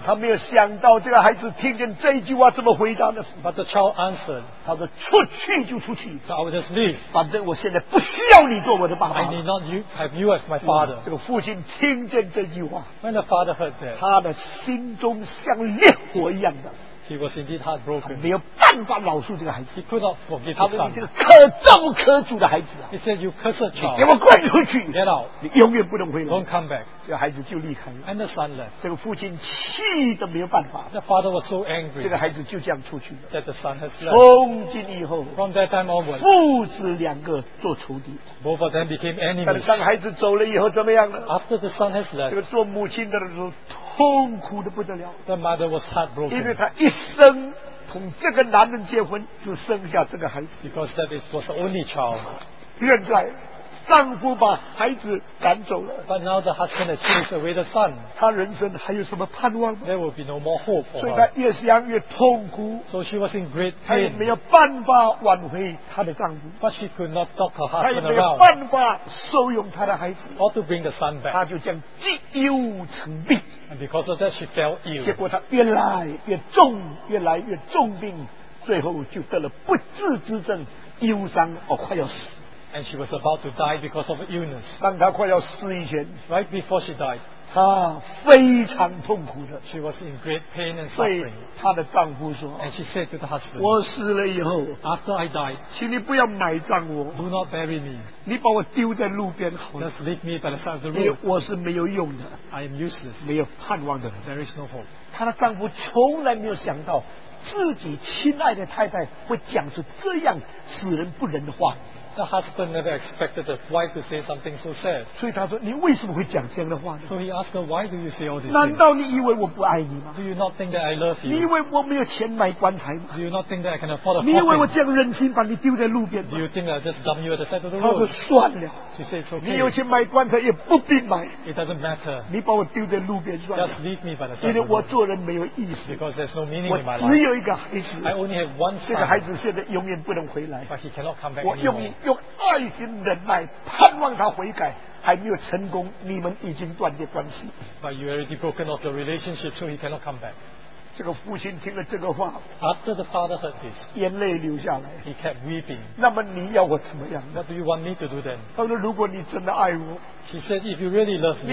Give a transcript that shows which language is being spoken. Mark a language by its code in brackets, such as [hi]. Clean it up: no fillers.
[zh] 他没有想到这个孩子听见这一句话怎么回答的。 [en] But the child answered, [zh] 他说出去就出去。 [en] So I will just leave. [zh] 反正我现在不需要你做我的爸爸。 [en] I need not you, have you as my father. [zh] 这个父亲听见这句话。 [en] When the father heard that, [zh] 他的心中像烈火一样的。 [en] He was indeed heartbroken. [zh] 没有办法饶恕这个孩子。 [en] He could not forgive his son. [zh] 他说你这个可造可诅的孩子啊。 [en] He said, you cursed child. [zh] 你给我滚出去。 [en] Get out. [zh] 你永远不能回来。 [en] Don't come back. [zh] 这个孩子就离开了。 [en] And the son left. [zh] 这个父亲气得没有办法。 [en] The father was so angry. [zh] 这个孩子就这样出去了。 [en] That the son has left. [zh] 从今以后。 [en] From that time onward. [zh] 父子两个做仇敌。 [en] Both of them became enemies. [zh] 但三个孩子走了以后怎么样呢？ [en] After the son has left. [zh] 这个做母亲的人痛苦得不得了。 [en] The mother was heartbroken. [zh] 因为她一生从这个男人结婚就生下这个孩子。 [en] Because that was the only child. [zh] 现在丈夫把孩子赶走了。 [en] But now the husband has chased away the son. [zh] 她人生还有什么盼望吗？ [en] There will be no more hope for her. [zh] 所以她越想越痛苦。 [en] So she was in great pain. [zh] 她也没有办法挽回她的丈夫。 [en] But she could not talk her husband around. [zh] 她也没有办法收容她的孩子。 [en] Or to bring the son back. [zh] 她就这样积忧成病。 [en] And because of that, she fell ill. [zh] 结果她越来越重，越来越重病，最后就得了不治之症，忧伤而快要死。 [en] And she was about to die because of illness. [zh] 当她快要死以前 [en] ，right before she died, [zh] 她非常痛苦的。 [en] She was in great pain and suffering. [zh] 所以她的丈夫说 [en] ，and she said to the husband, [zh] 我死了以后 [en] ，after I died, [zh] 请你不要埋葬我 [en] ，do not bury me. [zh] 你把我丢在路边好 [en] ，just leave me by the side of the road. [zh] 我是没有用的 [en] ，I am useless. [zh] 没有盼望的 [en] ，there is no hope. [zh] 她的丈夫从来没有想到自己亲爱的太太会讲出这样使人不仁的话。 [en] The husband never expected the wife to say something so sad. [zh] 所以他说，你为什么会讲这样的话呢？ [en] So he asked her, why do you say all this? [zh] 难道你以为我不爱你吗？ [en] Do you not think that I love you? [zh] 你以为我没有钱买棺材吗？ [en] Do you not think that I can afford a coffin? [zh] 你以为我这样忍心把你丢在路边吗？ [en] Do you think I just dump you at the side of the road? [zh] 他说算了。 [en] She said, it's okay. [zh] 你有钱买棺材也不必买。 [en] It doesn't matter. [zh] 你把我丢在路边算了。 [en] Just leave me by the side of the road. [zh] 因为我做人没有意思。 [en] Because there's no meaning in my life. [zh] 我只有一个孩子。 [en] I only have one son. [zh] 这个孩子现在永远不能回来。 [en] But he cannot come back anymore. [zh] 用爱心忍耐盼望他悔改还没有成功你们已经断绝关系 [en] But you already broken off your relationship so he cannot come back [zh] 这个父亲听了这个话 [en] After the father heard this [zh] 眼泪流下来 [en] He kept weeping [zh] 那么你要我怎么样 [en] What do you want me to do then [zh] 他说如果你真的爱我 [en] He said if you really love me